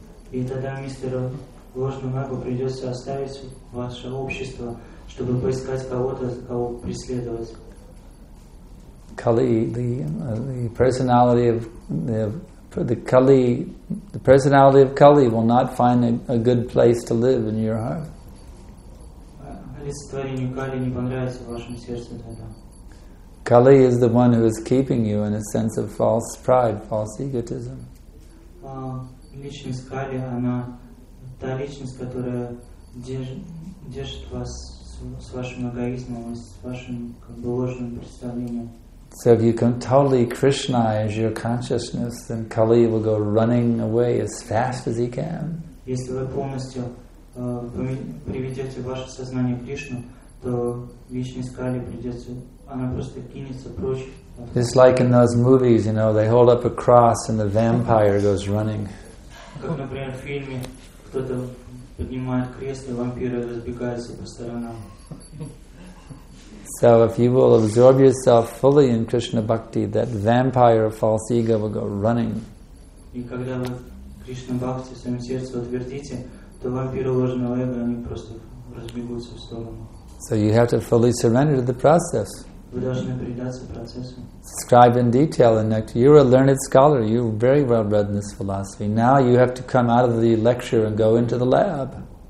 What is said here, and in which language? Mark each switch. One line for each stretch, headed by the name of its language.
Russian: И тогда мистеру ложному эго придется оставить ваше общество, чтобы поискать кого-то, кого преследовать.
English: Kali, the personality of Kali will not find a good place to live in your heart.
Russian: Олицетворение Кали не понравится в вашем сердце тогда.
English: Kali is the one who is keeping you in a sense of false pride, false egotism.
Russian: Личность Кали, она та личность, которая держит вас с вашим эгоизмом, с вашим как бы ложным представлением.
English: So if you can totally Krishnaize your consciousness, then Kali will go running away as fast as he can.
Russian: Если вы полностью приведете ваше сознание к Кришне, то личность Кали придется, она просто кинется прочь.
English: It's like in those movies, you know, they hold up a cross and the vampire goes running.
Russian: Как, например, в фильме кто-то поднимает крест, и вампиры разбегаются по сторонам.
English: So if you will absorb yourself fully in Krishna bhakti, that vampire of false ego will go running.
Russian: И когда вы Кришна бхакти своим сердцем утвердите, то вампиры ложного эго, они просто разбегутся в сторону.
English: So you have to fully surrender to the process. Describe in detail, and you're a learned scholar. You very well read in this philosophy. Now you have to come out of the lecture and go into the lab.